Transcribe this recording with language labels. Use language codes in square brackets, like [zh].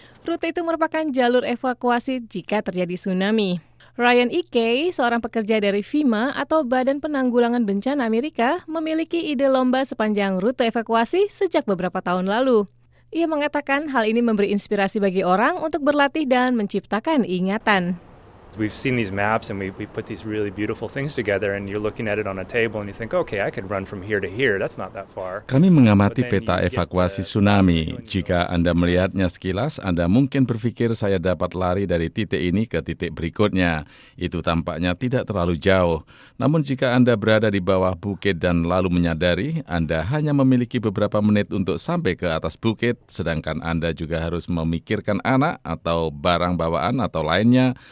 [id] Rute itu merupakan jalur evakuasi jika terjadi tsunami. Ryan E.K., seorang pekerja dari FEMA atau Badan Penanggulangan Bencana Amerika, memiliki ide lomba sepanjang rute evakuasi sejak beberapa tahun lalu. Ia mengatakan hal ini memberi inspirasi bagi orang untuk berlatih dan menciptakan ingatan. [en] We've seen these maps and we put these really beautiful things together and you're looking at it on a table and you think, okay, I could run from here to here. That's not that far. [id] Kami mengamati peta evakuasi tsunami. Jika Anda melihatnya sekilas, Anda mungkin berpikir saya dapat lari dari titik ini ke titik berikutnya. Itu tampaknya tidak terlalu jauh. Namun jika Anda berada di bawah bukit dan lalu menyadari, Anda hanya memiliki beberapa menit untuk sampai ke atas bukit, sedangkan Anda juga harus memikirkan anak atau barang bawaan atau lainnya.